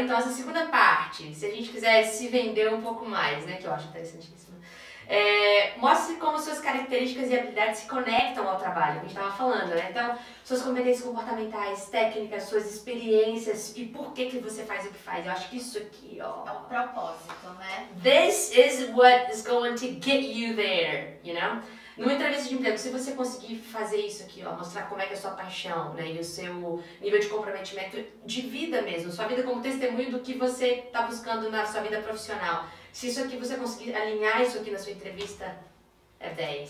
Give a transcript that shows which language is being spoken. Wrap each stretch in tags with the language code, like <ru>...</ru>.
<pt>Então, essa segunda parte, se a gente quiser se vender um pouco mais, né, que eu acho interessantíssimo, mostre como suas características e habilidades se conectam ao trabalho, a gente estava falando, né? Então, suas competências comportamentais, técnicas, suas experiências e por que que você faz o que faz. Eu acho que isso aqui, ó... É o propósito, né?</pt> <en>This is what is going to get you there, you know?</en> <pt>Numa entrevista de emprego, se você conseguir fazer isso aqui, ó, mostrar como é que é a sua paixão, né, e o seu nível de comprometimento de vida mesmo, sua vida como testemunho do que você tá buscando na sua vida profissional. Se isso aqui, você conseguir alinhar isso aqui na sua entrevista, é 10.</pt>